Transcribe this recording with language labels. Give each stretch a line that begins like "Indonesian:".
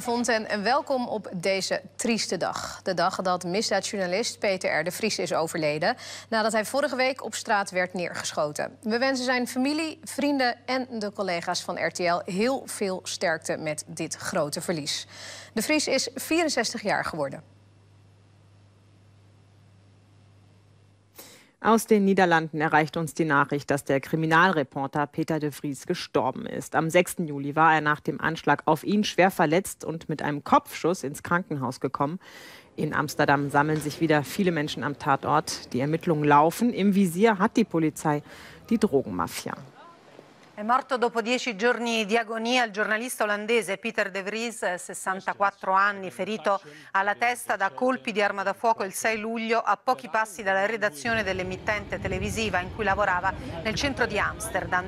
Dutch: goedenavond en welkom op deze trieste dag. De dag dat misdaadjournalist Peter R. de Vries is overleden nadat hij vorige week op straat werd neergeschoten. We wensen zijn familie, vrienden en de collega's van RTL heel veel sterkte met dit grote verlies. De Vries is 64 jaar geworden.
German: Aus den Niederlanden erreicht uns die Nachricht, dass der Kriminalreporter Peter de Vries gestorben ist. Am 6. Juli war er nach dem Anschlag auf ihn schwer verletzt und mit einem Kopfschuss ins Krankenhaus gekommen. In Amsterdam sammeln sich wieder viele Menschen am Tatort. Die Ermittlungen laufen. Im Visier hat die Polizei die Drogenmafia.
Italian: È morto dopo 10 giorni di agonia il giornalista olandese Peter de Vries, 64 anni, ferito alla testa da colpi di arma da fuoco il 6 luglio a pochi passi dalla redazione dell'emittente televisiva in cui lavorava nel centro di Amsterdam.